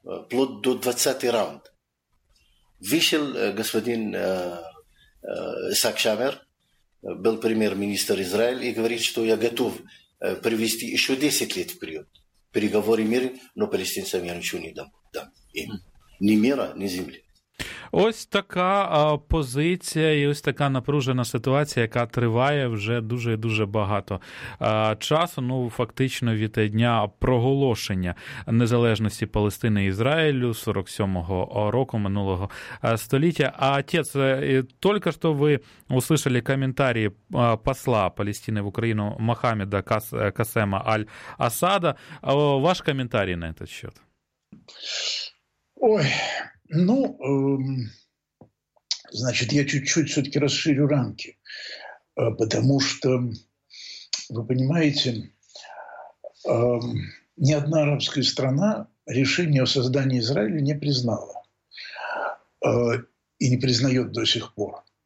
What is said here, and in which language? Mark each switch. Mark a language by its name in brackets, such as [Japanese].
[Russian] Плод до 20-й раунд. Вышел господин Исаак Шамер, был премьер-министр Израиля, и говорит, что я готов привести еще 10 лет вперед. Переговоры мира, но палестинцам я ничего не дам. Ни мира, ни земли. [Ukrainian] Ось така позиція і ось така напружена ситуація, яка триває вже дуже-дуже багато часу, ну, фактично від дня проголошення незалежності Палестини і Ізраїлю 47-го року минулого століття. А отець, тільки що ви [Russian] услышали [Ukrainian] коментарі посла Палестини в Україну Мохаммеда Касема Аль-Асада. Ваш коментар на цей [Russian] счет? Ой... Ну, значит, я чуть-чуть все-таки расширю рамки, потому что, вы понимаете, ни одна арабская страна решение о создании Израиля не признала и не признает до сих пор.